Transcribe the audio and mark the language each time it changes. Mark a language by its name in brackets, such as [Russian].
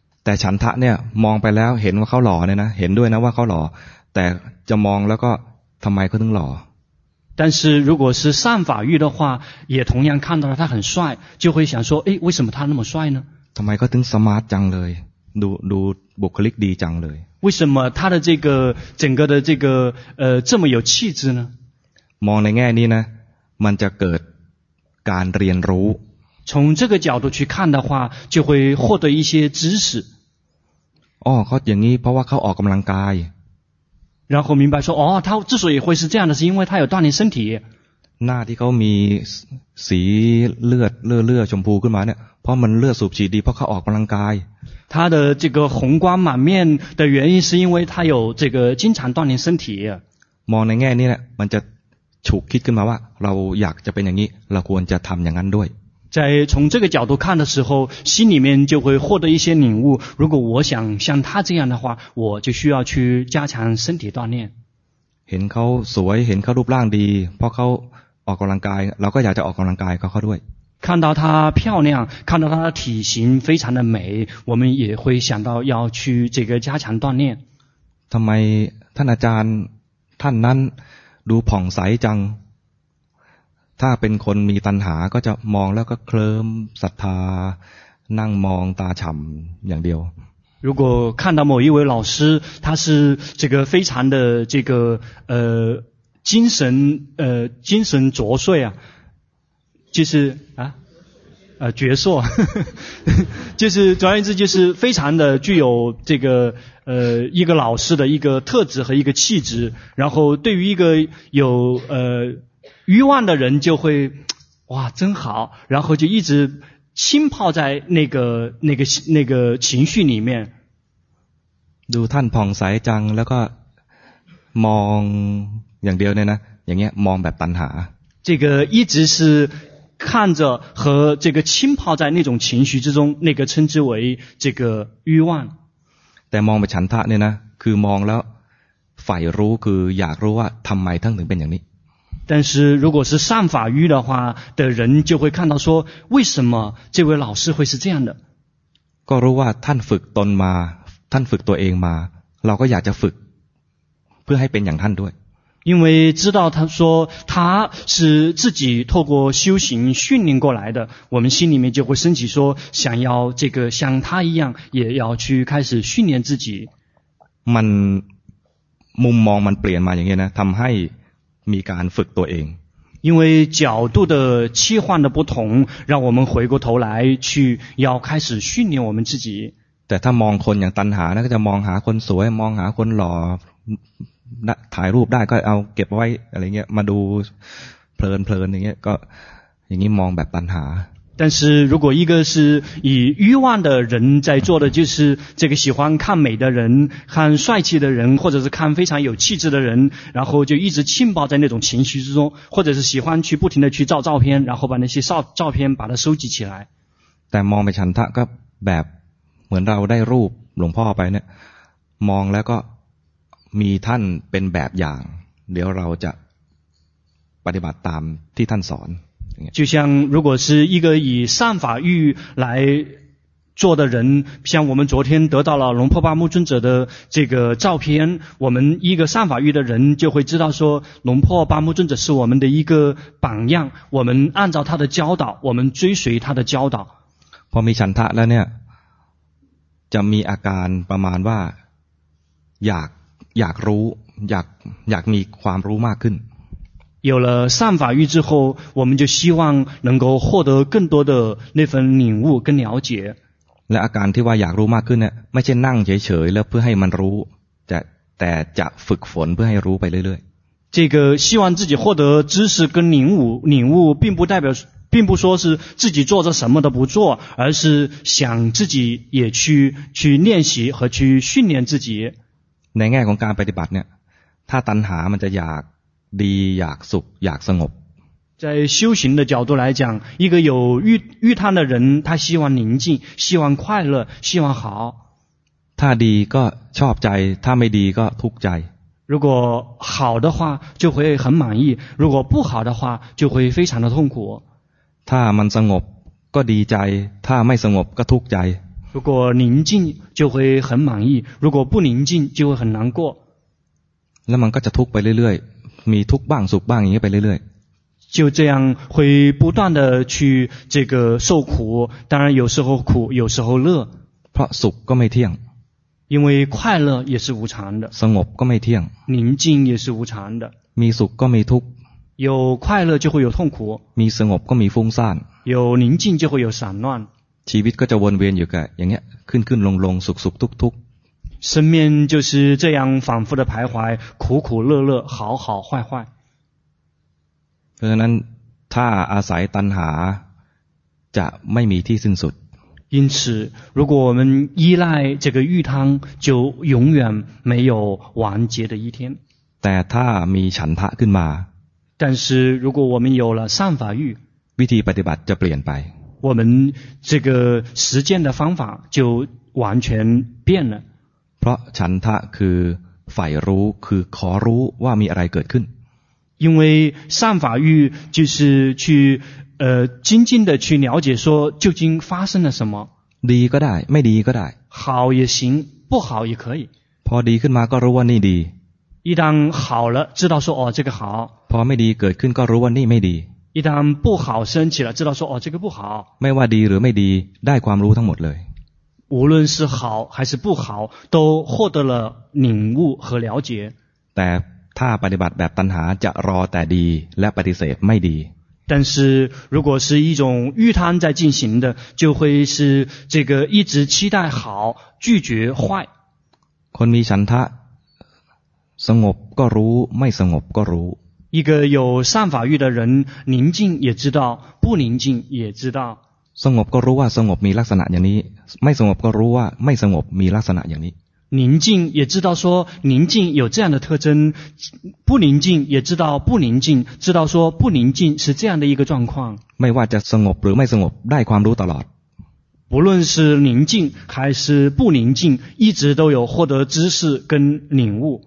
[Thai] แต่ฉันทะเนี่ยมองไปแล้วเห็นว่าเขาหล่อเนี่ยนะเห็นด้วยนะว่าเขาหล่อแต่จะมองแล้วก็ทำไมเขาถึงหล่อ [Chinese] 但是如果是善法欲的话也同样看到了他很帅就会想说诶为什么他那么帅呢 [Thai] ทำไมเขาถึงสมาร์ทจังเลยดูบุคลิกดีจังเลย [Chinese] 为什么他的这个整个的这个这么有气质呢 [Thai] มองในแง่นี้นะมันจะเกิดการเรียนรู้ [Chinese] 从这个角度去看的话就会获得一些知识 [Thai] 哦เขาอย่างนี้เพราะว่าเขาออกกำลังกาย [Chinese] 然后明白说哦他之所以会是这样的是因为他有锻炼身体 [Thai] หน้าที่เขามีสีเลือดเลือดชมพูขึ้นมาเนี่ยเพราะมันเลือดสูบฉีดดีเพราะเขาออกกำลังกาย [Chinese] 他的这个红光满面的原因是因为他有这个经常锻炼身体 [Thai] มองในแง่นี้แหละมันจะฉุกคิดขึ้นมาว่าเราอยากจะเป็นอย่างนี้เราควรจะทำอย่างนั้นด้วย [Chinese] 在从这个角度看的时候心里面就会获得一些领悟如果我想像他这样的话我就需要去加强身体锻炼 [Thai] เห็นเขาสวยเห็นเขารูปร่างดีเพราะเขาออกกำลังกายเราก็อยากจะออกกำลังกายกับเขาด้วย [Chinese] 看到他漂亮看到他的体型非常的美我们也会想到要去这个加强锻炼 [Thai] ทำไมท่านอาจารย์ท่านนั้นดูผ่องใสจังถ้าเป็นคนมีตัณหาก็จะมองแล้วก็เคลิ้มศรัทธานั่งมองตาฉ่ำอย่างเดียว [Chinese] 如果看到某一位老师他是这个非常的这个精神卓帅啊就是啊矍铄就是总而言之就是非常的具有这个一个老师的一个特质和一个气质然后对于一个有欲望的人就会哇真好然后就一直浸泡在那个情绪里面 [Thai] ดูท่านผ่องใสจังแล้วก็มองอย่างเดียวเนี่ยนะอย่างเงี้ยมองแบบตัณหา [Chinese] 这个一直是看着和这个浸泡在那种情绪之中那个称之为这个欲望 [Thai] แต่มองแบบฉันทะเนี่ยนะคือมองแล้วใฝ่รู้คืออยากรู้ว่าทำไมท่านถึงเป็นอย่างนี้ [Chinese] 但是如果是善法欲的话的人就会看到说为什么这位老师会是这样的 [Thai] ก็รู้ว่าท่านฝึกตนมาท่านฝึกตัวเองมาเราก็อยากจะฝึกเพื่อให้เป็นอย่างท่านด้วย [Chinese] 因为知道他说他是自己透过修行训练过来的我们心里面就会升起说想要这个像他一样也要去开始训练自己 [Thai] มันมุมมองมันเปลี่ยนมาอย่างเงี้ยนะทำให้มีการฝึกตัวเอง [Chinese] 因为角度的切换的不同让我们回过头来去要开始训练我们自己 [Thai] แต่ถ้ามองคนอย่างตัณหานะก็จะมองหาคนสวยมองหาคนหล่อถ่ายรูปได้ก็เอาเก็บไว้อะไรเงี้ยมาดูเพลินอย่างเงี้ยก็อย่างงี้มองแบบตัณหา [Chinese] 但是如果一个是以欲望的人在做的就是这个喜欢看美的人看帅气的人或者是看非常有气质的人然后就一直浸泡在那种情绪之中或者是喜欢去不停的去照照片然后把那些照片把它收集起来 [Thai] แต่มองไปฉันทะก็แบบเหมือนเราได้รูปหลวงพ่อไปเนี่ยมองแล้วก็มีท่านเป็นแบบอย่างเดี๋ยวเราจะปฏิบัติตามที่ท่านสอน [Chinese] 就像如果是一个以善法欲来做的人像我们昨天得到了龙婆巴木尊者的这个照片我们一个善法欲的人就会知道说龙婆巴木尊者是我们的一个榜样我们按照他的教导我们追随他的教导 [Thai] พอมีฉันทะแล้วเนี่ยจะมีอาการประมาณว่าอยากรู้อยากมีความรู้มากขึ้น [Chinese] 有了善法欲之后我们就希望能够获得更多的那份领悟跟了解 [Thai] และอาการที่ว่าอยากรู้มากขึ้นเนี่ยไม่ใช่นั่งเฉยๆแล้วเพื่อให้มันรู้แต่จะฝึกฝนเพื่อให้รู้ไปเรื่อย [Chinese] ๆ这个希望自己获得知识跟领悟并不代表并不说是自己做着什么都不做，而是想自己也去练习和去训练自己。 [Thai] ในแง่ของการปฏิบัติเนี่ยถ้าตัณหามันจะอยากดีอยากสุขอยากสงบ [Chinese] 在修行的角度来讲，一个有欲贪的人，他希望宁静，希望快乐，希望好。 [Thai] ถ้าดีก็ชอบใจถ้าไม่ดีก็ทุกข์ใจ [Chinese] 如果好的话就会很满意，如果不好的话就会非常的痛苦。 [Thai] ถ้ามันสงบก็ดีใจถ้าไม่สงบก็ทุกข์ใจ [Chinese] 如果宁静就会很满意，如果不宁静就会很难过。 [Thai] แล้วมันก็จะทุกข์ไปเรื่อยๆมีทุกข์บ้างสุขบ้างอย่างนี้ไปเรื่อย [Chinese] ๆ就这样会不断的去这个受苦，当然有时候苦有时候乐。 [Thai] เพราะสุขก็ไม่เที่ยง [Chinese] 因为快乐也是无常的。 [Thai] สงบก็ไม่เที่ยง [Chinese] 宁静也是无常的。 [Thai] มีสุขก็มีทุกข์ [Chinese] 有快乐就会有痛苦。 [Thai] มีสงบก็มีฟุ้งซ่าน [Chinese] 有宁静就会有散乱。 [Thai] ชีวิตก็จะวนเวียนอยู่กับอย่างเงี้ยขึ้นขึ้นลงลงสุขสุขทุกทุก [Chinese] 生命就是这样反复的徘徊，苦苦乐乐，好好坏坏。 [Thai] เพราะฉะนั้นถ้าอาศัยตัณหาจะไม่มีที่สิ้นสุด [Chinese] 因此，如果我们依赖这个欲贪，就永远没有完结的一天。 [Thai] แต่ถ้ามีฉันทะขึ้นมา [Chinese] 但是如果我们有了善法欲， [Thai] วิธีปฏิบัติจะเปลี่ยนไป [Chinese] 我们这个实践的方法就完全变了。 [Thai] เพราะฉันทะคือใฝ่รู้คือขอรู้ว่ามีอะไรเกิดขึ้น [Chinese] 因为善法欲就是去精进的去了解说究竟发生了什么 [Thai] ดีก็ได้ไม่ดีก็ได้ [Chinese] 好也行不好也可以 [Thai] พอดีขึ้นมาก็รู้ว่านี่ดี [Chinese] 一旦好了知道说哦这个好 [Thai] พอไม่ดีเกิดขึ้นก็รู้ว่านี่ไม่ดี [Chinese] 一旦不好升起了知道说哦这个不好 [Thai] ไม่ว่าดีหรือไม่ดีได้ความรู้ทั้งหมดเลย [Chinese] 无论是好还是不好都获得了领悟和了解 [Thai] แต่ถ้าปฏิบัติแบบตัณหาจะรอแต่ดีและปฏิเสธไม่ดี [Chinese] 但是如果是一种欲贪在进行的就会是这个一直期待好拒绝坏 [Thai] คนมีฉันทะสงบก็รู้ไม่สงบก็รู้ [Chinese] 一个有善法欲的人宁静也知道不宁静也知道 [Thai] สงบก็รู้ว่าสงบมีลักษณะอย่างนี้ไม่สงบก็รู้ว่าไม่สงบมีลักษณะอย่างนี้ [Chinese] 宁静也知道说宁静有这样的特征不宁静也知道不宁静知道说不宁静是这样的一个状况 [Thai] ไม่ว่าจะสงบหรือไม่สงบได้ความรู้ตลอด [Chinese] 不论是宁静还是不宁静一直都有获得知识跟领悟